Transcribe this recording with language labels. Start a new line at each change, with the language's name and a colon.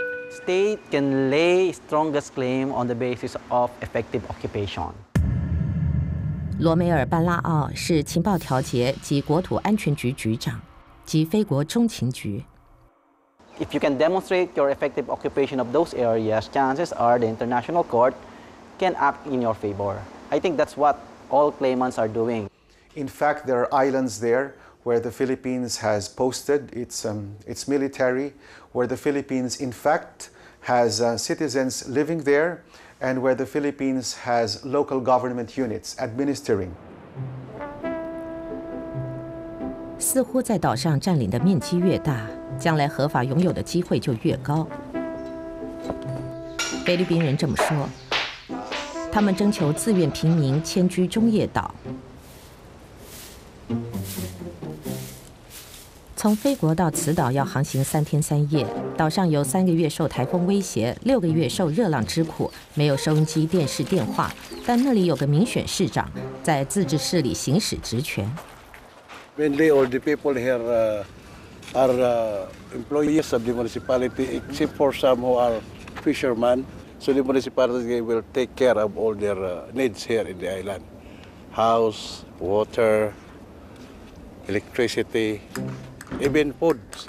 English: State can lay strongest claim on the basis of effective occupation.
Chinese: 罗梅尔·班拉奥是情报调节及国土安全局局长，及非国中情局。
English: If you can demonstrate your effective occupation of those areas, chances are the international court can act in your favor. I think that's what all claimants are doing. In fact, there are islands there where the Philippines has posted its military, where the Philippines, in fact, has citizens living there, and where the Philippines has local government units administering.
Chinese: 似乎在岛上占领的面积越大，将来合法拥有的机会就越高。菲律宾人这么说，他们征求自愿平民迁居中叶岛。从菲国到此岛要航行3天3夜，岛上有3个月受台风威胁，6个月受热浪之苦，没有收音机、电视、电话，但那里有个民选市长在自治市里行使职权。
English: Mainly all the people here are employees of the municipality, except for some who are fishermen. So the municipality will take care of all their needs here in the island. House, water, electricity, even food.